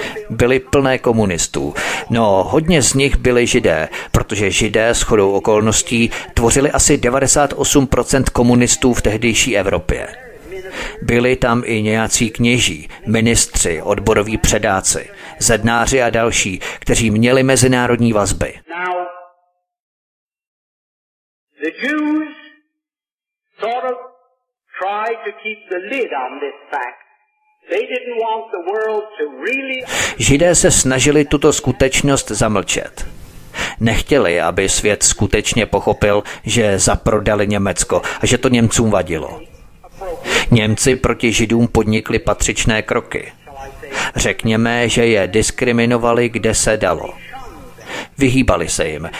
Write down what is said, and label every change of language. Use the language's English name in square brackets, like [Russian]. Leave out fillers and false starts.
[Czech] Byly plné komunistů. No, hodně z nich byli Židé, protože Židé shodou okolností tvořili asi 98% komunistů v tehdejší Evropě. Byli tam i nějací kněží, ministři, odboroví předáci, zednáři a další, kteří měli mezinárodní vazby. [English] Now, the Jews sort of tried to keep the lid on this fact. They didn't want the world to really... [Czech] Židé se snažili tuto skutečnost zamlčet. Nechtěli, aby svět skutečně pochopil, že zaprodali Německo a že to Němcům vadilo. Němci proti Židům podnikli patřičné kroky. Řekněme, že je diskriminovali, kde se dalo. vyhýbali se jim.